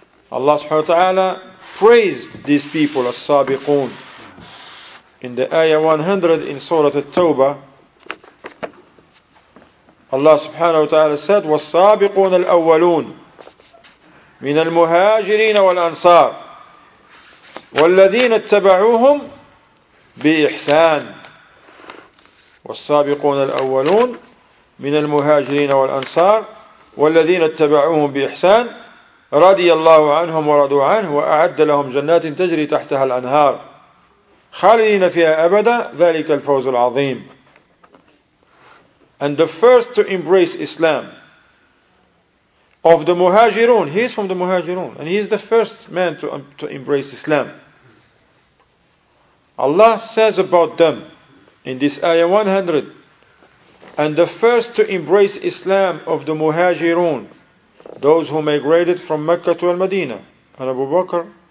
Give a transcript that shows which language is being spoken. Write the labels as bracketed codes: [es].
[en] Allah سبحانه وتعالى praised these people as السابقون in the ayah 100 in Surah التوبة. Allah subhanahu wa ta'ala said, [ar] والسابقون الأولون من المهاجرين والأنصار والذين اتبعوهم بإحسان. والسابقون الأولون من المهاجرين والأنصار والذين اتبعوهم بإحسان رضي الله عنهم ورضوا عنه وأعد لهم جنات تجري تحتها الأنهار خالدين فيها أبدا ذلك الفوز العظيم. [en] And the first to embrace Islam of the Muhajirun, he is from the Muhajirun, and he is the first man to embrace Islam. Allah says about them in this ayah 100, and the first to embrace Islam of the Muhajirun, those who migrated from Mecca to Al-Madinah, and Abu Bakr